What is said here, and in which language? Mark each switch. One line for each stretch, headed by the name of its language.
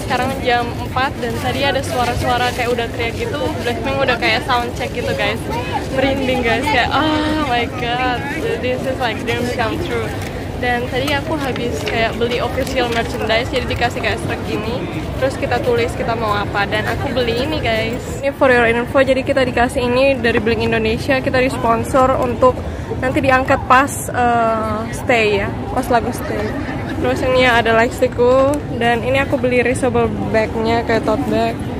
Indonesian: Sekarang jam 4 dan tadi ada suara-suara kayak udah teriak gitu. Blackpink udah kayak sound check gitu guys. Merinding guys, kayak
English: oh my god, this is like dreams come true.
Indonesian: Dan tadi aku habis kayak beli official merchandise, jadi dikasih kayak strap gini. Terus kita tulis kita mau apa, dan aku beli ini guys. Ini
English: for your info,
Indonesian: jadi kita dikasih ini dari Blink Indonesia. Kita di sponsor untuk nanti diangkat pas stay ya, pas lagu stay. Terus ini ya ada lipstickku, dan ini aku beli reusable bagnya kayak tote bag.